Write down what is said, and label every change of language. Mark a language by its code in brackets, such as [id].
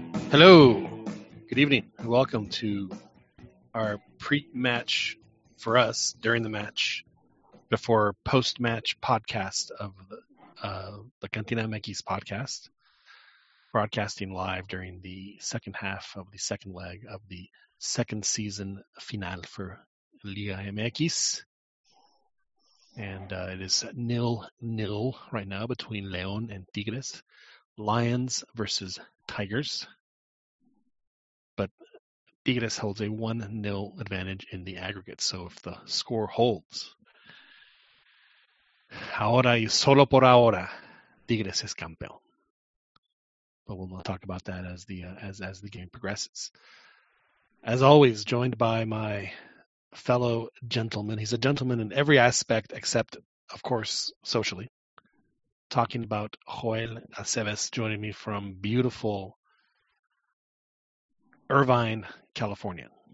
[en] Hello, good evening, and welcome to our pre-match for us during the match before post-match podcast of the CantinaMX podcast, broadcasting live during the second half of the second leg of the second season finale for LigaMX. And it is 0-0 right now between León and Tigres, Lions versus Tigers. But Tigres holds a 1-0 advantage in the aggregate. So if the score holds, [es] ahora y solo por ahora, Tigres es campeón. [en] But we'll talk about that as the game progresses. As always, joined by my fellow gentleman. He's a gentleman in every aspect except, of course, socially. Talking about Joel Aceves, joining me from beautiful Irvine, California.